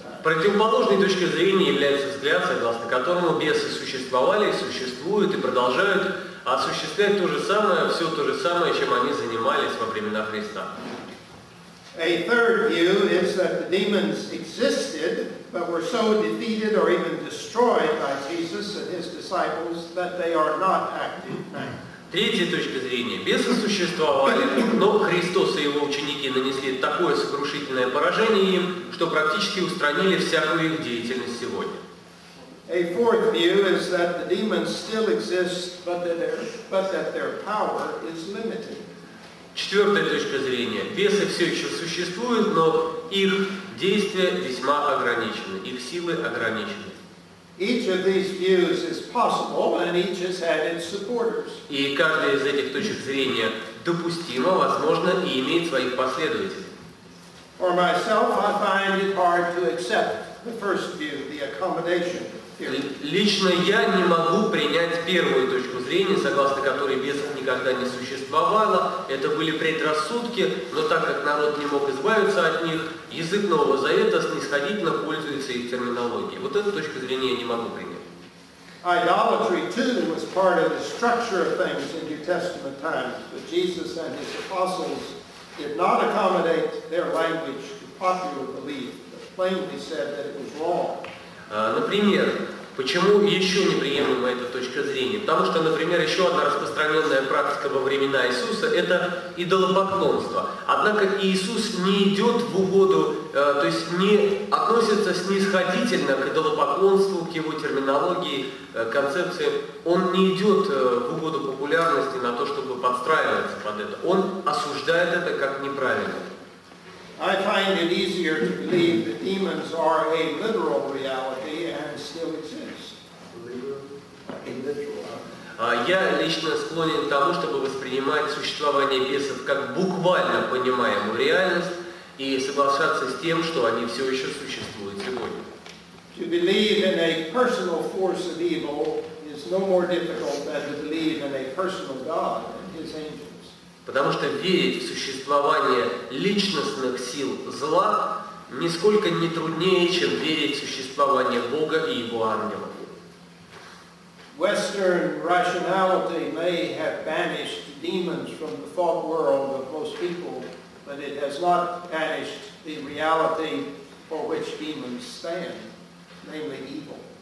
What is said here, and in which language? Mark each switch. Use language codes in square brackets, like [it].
[ru] Противоположной точке зрения является взгляд, согласно которому бесы существовали, существуют и продолжают осуществлять то же самое, все то же самое, чем они занимались во времена Христа. [en] A third view is that the demons existed, but were so defeated or even destroyed by Jesus and his disciples that they are not active now. [ru] Третья точка зрения. Бесы существовали, но Христос и его ученики нанесли такое сокрушительное поражение им, что практически устранили всякую их деятельность сегодня. [en] A fourth view is that the demons still exist, but that their power is limited. [ru] Четвертая точка зрения. Бесы все еще существуют, но их действия весьма ограничены, их силы ограничены. [en] Each of these views is possible, and each has had its supporters. [ru] И каждая из этих точек зрения допустима, возможно, и имеет своих последователей. [en] For myself, I find it hard to accept the first view, the accommodation. [ru] Лично я не могу принять первую точку зрения, согласно которой бесов никогда не существовало. Это были предрассудки, но так как народ не мог избавиться от них, язык Нового Завета снисходительно пользуется их терминологией. Вот эту точку зрения я не могу принять. [en] Idolatry too was part of the structure of things in New Testament times, but Jesus and his apostles did not accommodate their language to popular belief, but plainly said that it was wrong. [ru] Например, почему еще неприемлема эта точка зрения? Потому что, например, еще одна распространенная практика во времена Иисуса – это идолопоклонство. Однако Иисус не идет в угоду, то есть не относится снисходительно к идолопоклонству, к его терминологии, концепции. Он не идет в угоду популярности на то, чтобы подстраиваться под это. Он осуждает это как неправильно. [en] I find it easier to believe that demons are a literal reality and still exist. [ru] Я лично склонен к тому, чтобы воспринимать существование бесов как буквально понимаемую реальность и соглашаться с тем, что они все еще существуют сегодня. [en] To believe in a personal force of evil is no more difficult than to believe in a personal God and his angels. [ru] Потому что верить в существование личностных сил зла нисколько не труднее, чем верить в существование Бога и Его ангелов. [en] Western rationality may have banished demons from the thought world of most people, but it has not banished the reality for which demons stand, namely evil.